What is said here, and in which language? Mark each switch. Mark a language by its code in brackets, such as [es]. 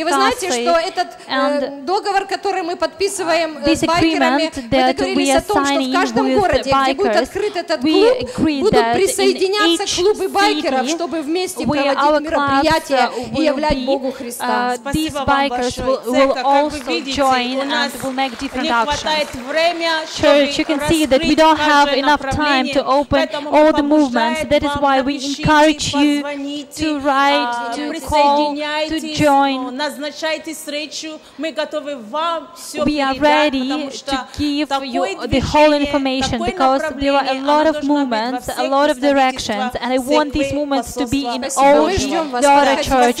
[ru] И вы знаете, что этот договор, который мы подписываем с байкерами, мы договорились о том, что в каждом городе, где будет открыт этот клуб, будут присоединяться клубы байкеров, чтобы вместе проводить мероприятия и являть Богу Христа. Спасибо вам большое. Церковь, как вы видите, у нас не хватает времени, чтобы раскрыть каждое направление, поэтому мы помним. [en] Movements. That is why we encourage you to write, to call, to join. [ru] Назначайте встречу. Мы готовы вам все передать, потому что такое движение, такое направление, оно должно быть во всех представительствах, [en] a lot of directions, and I want these movements to be in all daughter churches.